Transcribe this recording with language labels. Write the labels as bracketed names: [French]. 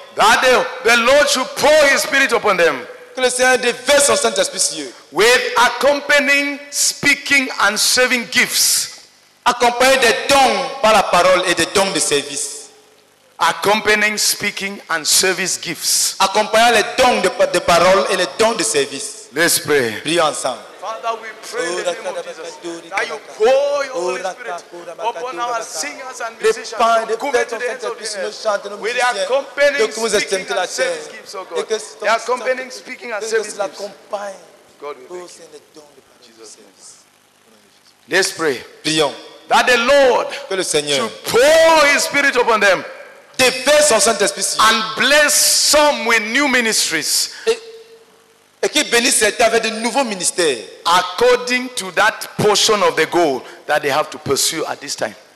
[English] That the Lord should pour his spirit upon them. [French] Que le Seigneur déverse son Saint-Esprit sur eux. [English] With accompanying, speaking, and serving gifts. [French] Accompagné des dons par la parole et des dons de service. [English] Accompanying speaking and service gifts. [French] Accompagnant les dons de parole et les dons de service. [English] Let's pray. [French] Prions ensemble. [English] Father, we pray in the name of Jesus that you pour your Holy Spirit upon our singers and musicians who come to the ends of the earth with their accompanying speaking and service gifts, oh God. Their accompanying speaking and service gifts. God, we thank you. Let's pray. [French] Prions. [English] That the Lord, [French] que le Seigneur, [English] should pour his spirit upon them. [French] Déverse son Saint-Esprit sur eux. [English] And bless some with new ministries. [French] Et qu'il bénisse certains avec de nouveaux ministères. [English] According to that portion of the goal that they have to pursue at this time.